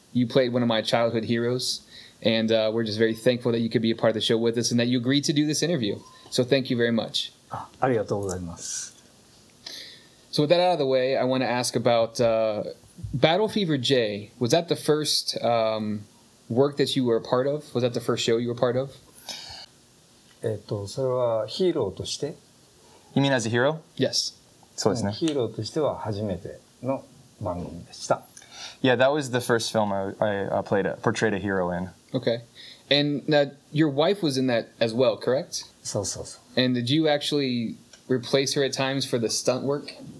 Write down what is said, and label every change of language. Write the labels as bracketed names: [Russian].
[English] You played one of my childhood heroes, and we're just very thankful that you could be a part of the show with us and that you agreed to do this interview. So thank you very much. [Japanese] Arigatou gozaimasu. [English] So with that out of the way, I want to ask about Battle Fever J. Was that the first work that you were a part of? Was that the first show you were part of? [Japanese] それはヒーローとして? [English] You mean as a hero? Yes. [Japanese] そうですね。ヒーローとしては初めての番組でした。 [English] Yeah, that was the first film I portrayed a hero in. Okay. And now your wife was in that as well, correct? [Japanese] So, so, so. [English] And did you actually replace her at times for the stunt work?